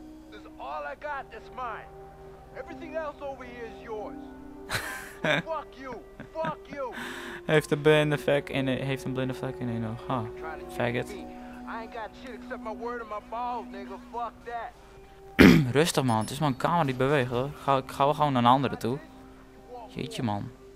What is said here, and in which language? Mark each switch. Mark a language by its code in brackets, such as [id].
[en] This is all I got that's mine. Everything else over here is yours. Fuck you. [nl] Heeft een blinde vlek in een oog. [en] Ha. Faggot. I ain't got shit except my word and my balls, nigga. Fuck that. [nl] Rustig man, het is mijn kamer die beweegt hoor. Ga we gewoon naar een andere toe. Jeetje man.